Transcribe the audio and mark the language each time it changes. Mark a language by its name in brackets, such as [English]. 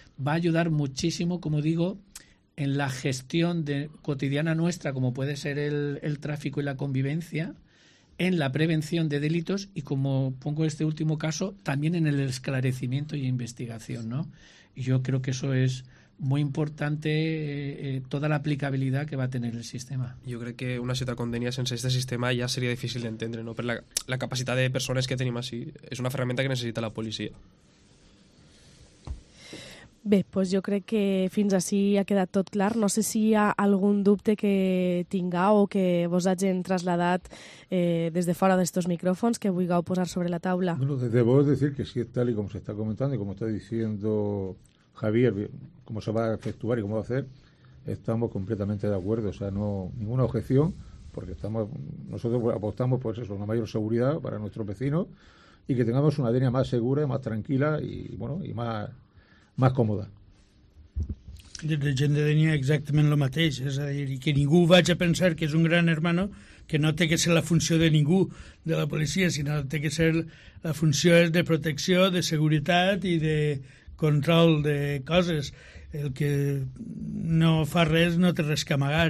[Spanish] Va a ayudar muchísimo, como digo, en la gestión cotidiana nuestra, como puede ser el tráfico y la convivencia, en la prevención de delitos y, como pongo este último caso, también en el esclarecimiento y investigación, ¿no? Yo creo que eso es muy importante, toda la aplicabilidad que va a tener el sistema. Yo creo que una ciudad con Denia sense este sistema ya sería difícil de entender, ¿no? Pero la capacidad de personas que tenemos así es una herramienta que necesita la policía. [Catalan] Bé, doncs jo crec que fins ací ha quedat tot clar. No sé si hi ha algun dubte que tingueu o que vos hagin traslladat des de fora d'aquests micròfons que vulgueu posar sobre la taula. [Spanish] Bueno, debo decir que sí, tal y como se está comentando y como está diciendo Javier, cómo se va a efectuar y cómo va a hacer, estamos completamente de acuerdo. O sea, no, ninguna objeción, porque nosotros apostamos por eso, una mayor seguridad para nuestros vecinos y que tengamos una Denia más segura, más tranquila y, bueno, y más còmoda. [Catalan] Des de Gent de Denia exactament el mateix, és a dir, que ningú vagi a pensar que és un gran hermano, que no té que ser la funció de ningú, de la policia, sinó que té que ser la funció és de protecció, de seguretat i de control de coses. El que no fa res no té res que amagar.